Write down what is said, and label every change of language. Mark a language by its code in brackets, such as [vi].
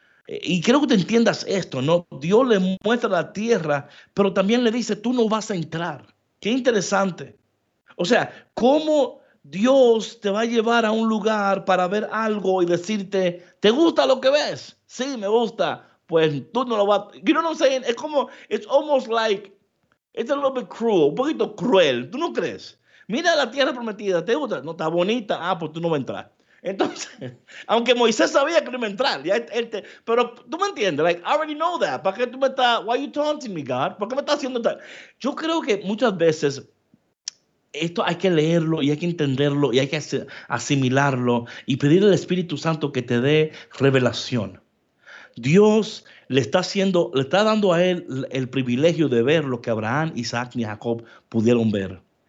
[es] Y creo que te entiendas esto, ¿no? Dios le muestra la tierra, pero también le dice, tú no vas a entrar. Qué interesante. O sea, ¿cómo Dios te va a llevar a un lugar para ver algo y decirte, ¿te gusta lo que ves? Sí, me gusta. Pues tú no lo vas. [en] You know what I'm saying? [es] Es como, [en] it's almost like, it's a little bit cruel, [es] un poquito cruel. ¿Tú no crees? Mira la tierra prometida, ¿te gusta? No, está bonita. Ah, pues tú no vas a entrar. Entonces, aunque Moisés sabía que no iba a entrar, ya, pero tú me entiendes. [en] Like, I already know that. [es] ¿Para qué tú me estás? [en] Why are you taunting me, God? [es] ¿Por qué me estás haciendo tal? Yo creo que muchas veces esto hay que leerlo y hay que entenderlo y hay que asimilarlo y pedir al Espíritu Santo que te dé revelación. Dios le está dando a él el privilegio de ver lo que Abraham, Isaac y Jacob pudieron ver.